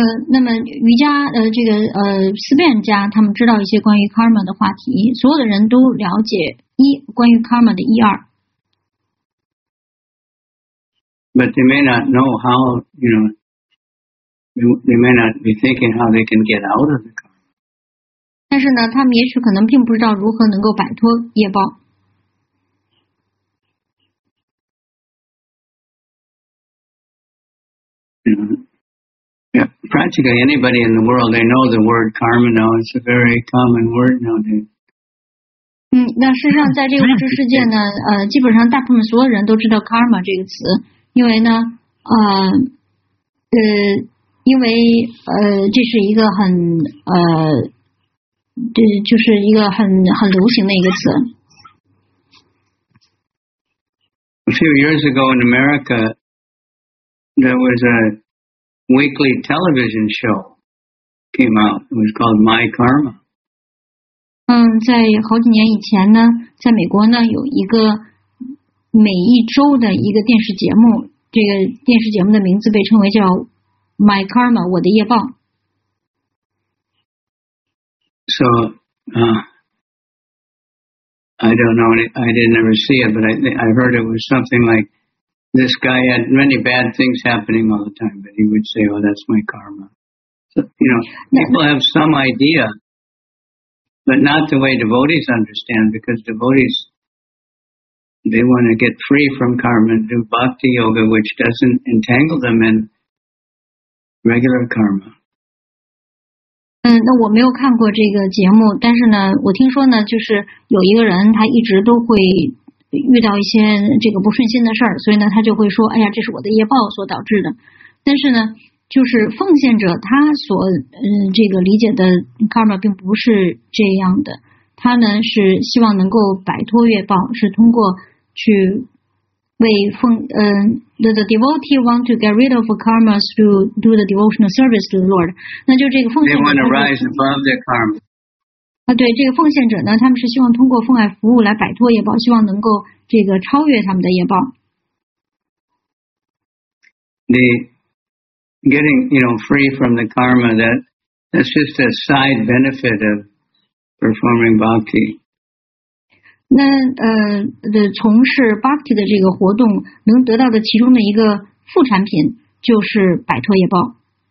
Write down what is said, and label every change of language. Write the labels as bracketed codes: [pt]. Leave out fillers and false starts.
[zh] 那么瑜伽这个思辨家他们知道一些关于 karma 的话题，所有的人都了解关于 karma 的一二。 [en] But they may not know how, you know, they may not be thinking how they can get out of the karma. [zh] 但是呢他们也许可能并不知道如何能够摆脱业报。 [en] Yeah, practically anybody in the world, they know the word karma now. It's a very common word nowadays. [zh] 那事实上在这个物质世界呢基本上大部分所有人都知道 karma 这个词。因为呢这是一个很这就是一个很流行的一个词。 [en] A few years ago in America, there was a weekly television show came out. It was called My Karma. [zh] 在好几年以前呢，在美国呢有一个每一周的一个电视节目，这个电视节目的名字被称为叫 My Karma， 我的业报。 [en] So, I don't know, I didn't ever see it, but I heard it was something like this guy had many bad things happening all the time, but he would say, oh, that's my karma. So, you know, people have some idea, but not the way devotees understand, because devotees, they want to get free from karma and do bhakti yoga, which doesn't entangle them in regular karma. [zh] 那我没有看过这个节目，但是呢我听说呢就是有一个人他一直都会遇到一些这个不顺心的事儿，所以呢他就会说哎呀这是我的业报所导致的。但是呢就是奉献者他所这个理解的 karma 并不是这样的，他呢是希望能够摆脱业报，是通过去为奉 [en] the devotee want to get rid of karma through do the devotional service to the Lord. [zh] 那就这个奉献者 [en] they want to rise above their karma. [zh] 对，这个奉献者呢，他们是希望通过奉爱服务来摆脱业报，希望能够这个超越他们的业报。 [en] The getting you know free from the karma that's just a side benefit of performing bhakti. [zh] 那从事 bhakti 的这个活动能得到的其中的一个副产品就是摆脱业报。